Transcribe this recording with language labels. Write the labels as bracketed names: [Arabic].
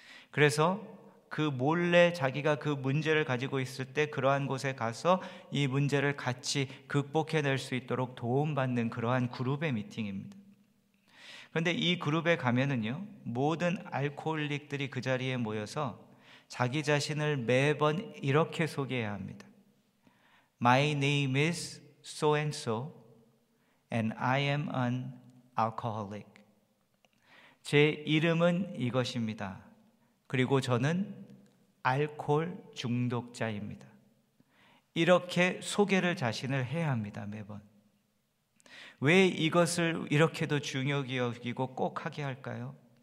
[Korean] 그래서 그 몰래 자기가 그 문제를 가지고 있을 때 그러한 곳에 가서 이 문제를 같이 극복해낼 수 있도록 도움받는 그러한 그룹의 미팅입니다. 그런데 이 그룹에 가면은요, 모든 알코올릭들이 그 자리에 모여서 자기 자신을 매번 이렇게 소개해야 합니다. [English] My name is so and so and I am an alcoholic. [Korean] 제 이름은 이것입니다. 그리고 저는 알코올 중독자입니다. 이렇게 소개를 자신을 해야 합니다. 매번. 왜 이것을 이렇게도 중요하게 여기고 꼭 하게 할까요?